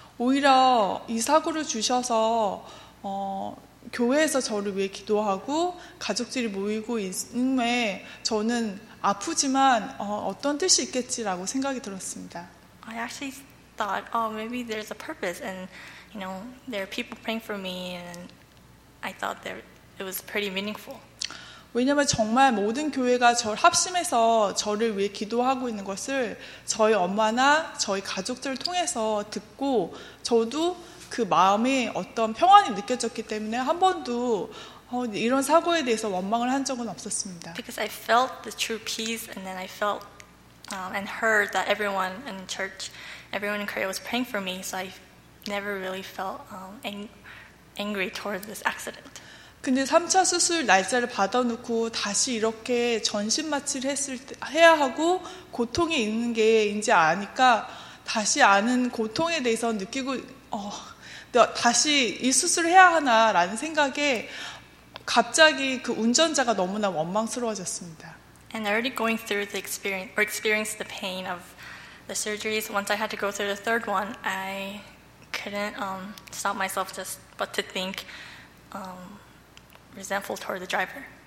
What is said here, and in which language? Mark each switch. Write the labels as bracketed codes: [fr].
[ko] 오히려 이 사고를 주셔서 교회에서 저를 위해 기도하고 가족들이 모이고 있음에 저는 아프지만 어떤 뜻이 있겠지라고 생각이 들었습니다. [en] I actually thought, oh, maybe there's a purpose, and you know, there are people praying for me, and I thought that it was pretty meaningful. [ko] 왜냐하면 정말 모든 교회가 저를 합심해서 저를 위해 기도하고 있는 것을 저희 엄마나 저희 가족들을 통해서 듣고 저도 그 마음에 어떤 평안이 느껴졌기 때문에 한 번도 이런 사고에 대해서 원망을 한 적은 없었습니다. [en] Because I felt the true peace and then I felt and heard that everyone in church, everyone in Korea was praying for me, so I never really felt angry towards this accident. [ko] 근데 3차 수술 날짜를 받아놓고 다시 이렇게 전신 마취를 해야 하고 고통이 있는 게 이제 아니까 다시 아는 고통에 대해서 느끼고 다시 이 수술을 해야 하나라는 생각에 갑자기 그 운전자가 너무나 원망스러워졌습니다. [en] And already going through the experience or experienced the pain of the surgeries, once I had to go through the third one, I couldn't stop myself just but to think resentful toward the driver.